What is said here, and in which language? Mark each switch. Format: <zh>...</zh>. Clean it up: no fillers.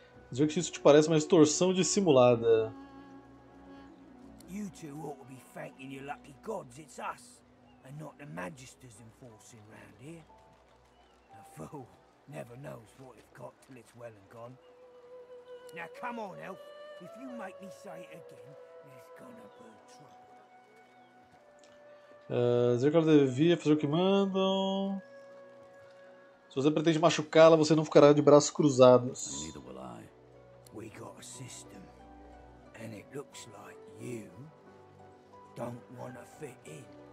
<pt>Dizer que isso te parece uma extorsão dissimulada.</pt> <en>You two ought to be thanking your lucky gods, it's us, and not the magisters enforcing round here. A fool never knows what it's got till it's well and gone. Now come on, elf. If you make me say it again, it's gonna be trouble.</en> <pt>Dizer que ela devia fazer o que mandam. Se você pretende machucá-la, você não ficará de braços cruzados.</pt> <en>Neither will I. We got a system, and it looks like you don't wanna fit in.</en>